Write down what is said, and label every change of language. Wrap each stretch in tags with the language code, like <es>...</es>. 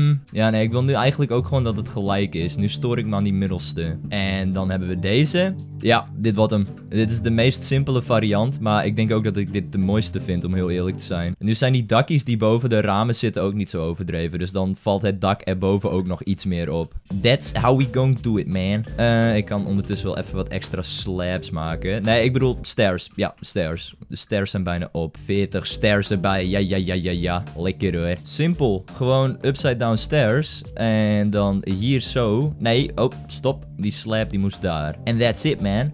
<nl>Ja, nee. Ik wil nu eigenlijk ook gewoon dat het gelijk is. Nu stoor ik me aan die middelste. En dan hebben we deze. Ja, dit wordt hem. Dit is de meest simpele variant. Maar ik denk ook dat ik dit de mooiste vind, om heel eerlijk te zijn. Nu zijn die dakjes die boven de ramen zitten ook niet zo overdreven. Dus dan valt het dak erboven ook nog iets meer op.</nl> <en>That's how we gonna do it, man.</en> <nl>Ik kan ondertussen wel even wat extra slabs maken. Nee, ik bedoel stairs. Ja, stairs. De stairs zijn bijna op. 40 stairs erbij. Ja. Lekker hoor. Simpel. Gewoon upside down stairs. En dan hier zo. Nee, oh, stop. Die slab die moest daar.</nl> <en>And that's it, man.</en>